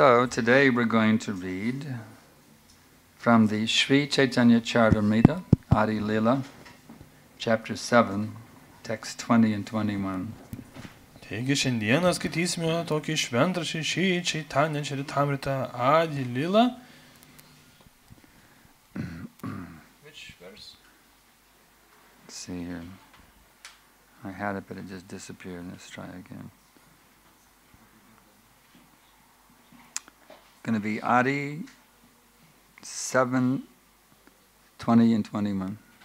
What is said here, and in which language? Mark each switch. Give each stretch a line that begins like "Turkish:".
English: Today we're going to read from the Sri Chaitanya Charitamrita, Adi Lila, chapter 7, text 20 and 21.
Lithuanian: Taigi šiandieną skaitysime tokį šventraštį Sri Chaitanya Charitamrita Adi Lila.
English: Which verse? Let's see here. I had it, but it just disappeared. Let's try again. Going to be Adi 7, 20 and 21.